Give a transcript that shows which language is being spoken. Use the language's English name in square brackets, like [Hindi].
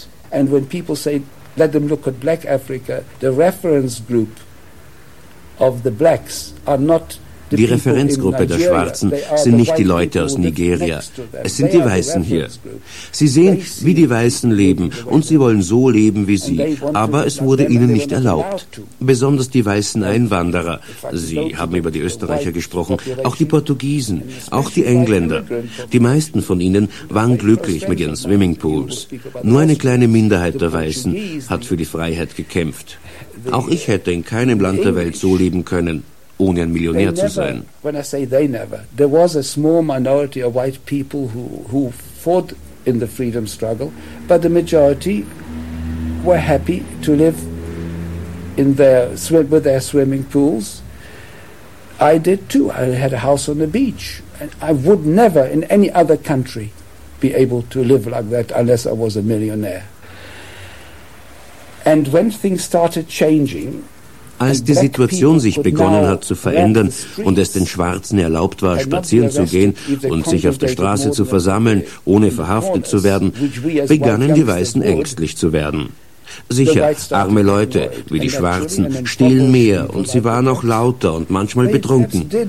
[English] And when people say, let them look at Black Africa, the reference group of the blacks are not. [German] Die Referenzgruppe der Schwarzen sind nicht die Leute aus Nigeria. Es sind die Weißen hier. Sie sehen, wie die Weißen leben und sie wollen so leben wie sie, aber es wurde ihnen nicht erlaubt. Besonders die weißen Einwanderer, sie haben über die Österreicher gesprochen, auch die Portugiesen, auch die Engländer. Die meisten von ihnen waren glücklich mit ihren Swimmingpools. Nur eine kleine Minderheit der Weißen hat für die Freiheit gekämpft. Auch ich hätte in keinem Land der Welt so leben können, ohne ein Millionär zu sein. [English] When I say they never, there was a small minority of white people who fought in the freedom struggle, but the majority were happy to live in with their swimming pools. I did too. I had a house on the beach. And I would never in any other country be able to live like that unless I was a millionaire. And when things started changing, [German] als die Situation sich begonnen hat zu verändern und es den Schwarzen erlaubt war, spazieren zu gehen und sich auf der Straße zu versammeln, ohne verhaftet zu werden, begannen die Weißen ängstlich zu werden. Sicher, arme Leute wie die Schwarzen stehlen mehr und sie waren auch lauter und manchmal betrunken.